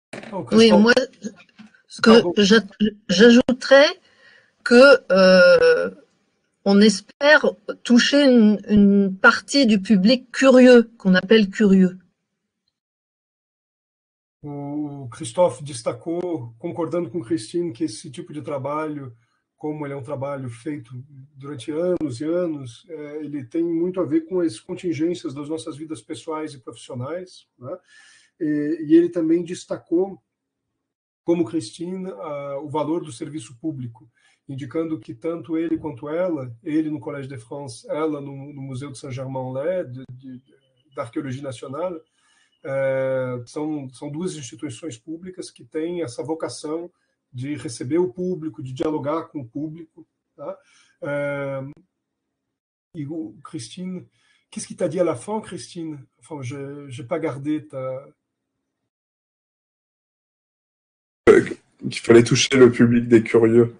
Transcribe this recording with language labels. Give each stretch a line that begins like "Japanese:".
French: Donc, oui, moi, ce que j'ajouterais, que on espère toucher une partie du public curieux, qu'on appelle curieux.
Portuguese: O Christophe destacou, concordando com Christine, que esse tipo de trabalho, como ele é um trabalho feito durante anos e anos, ele tem muito a ver com as contingências das nossas vidas pessoais e profissionais, né? E ele também destacou, como Christine, o valor do serviço público, indicando que tanto ele quanto ela, ele no Collège de France, ela no Museu de Saint-Germain-en-Laye, da Arqueologia Nacional, são duas instituições públicas que têm essa vocação de receber o público, de dialogar com o público. Tá? E o
French: Christine, qu'est-ce que tu as dit à la fin, Christine? Enfin, je n'ai pas gardé ta... qu'il fallait toucher le public des curieux.